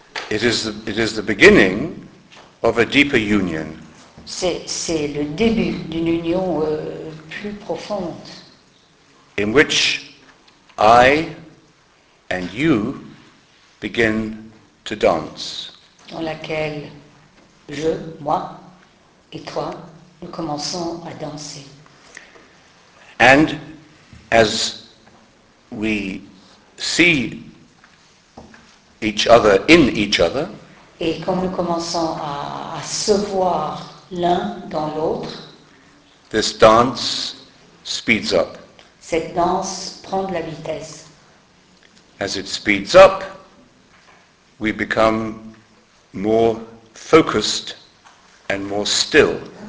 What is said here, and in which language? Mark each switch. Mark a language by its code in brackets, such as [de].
[en] It is the beginning of a deeper union. [fr] C'est le début d'une union plus profonde. [en] In which I and you begin to dance. [fr] Dans laquelle je, moi et toi, nous commençons à danser. [en] And as we see each other in each other, [fr] et comme nous commençons à se voir l'un dans l'autre, [en] this dance speeds up. [fr] Cette danse prend de la vitesse. [en] As it speeds up, we become more focused and more still.